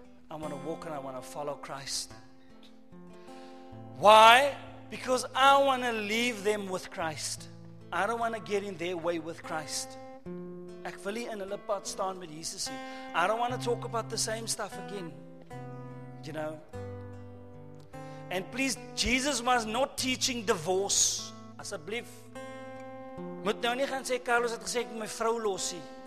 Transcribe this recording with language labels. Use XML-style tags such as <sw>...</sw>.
<en>I want to walk and I want to follow Christ. Why? Because I want to leave them with Christ. I don't want to get in their way with Christ.</en> <af>Ek wil nie in hulle pad staan met Jesus nie.</af> <en>I don't want to talk about the same stuff again. You know? And please, Jesus was not teaching divorce.</en> <af>Asseblief. Moet nou nie gaan sê, Carlos het gesê, ek moet my vrou losie.</af>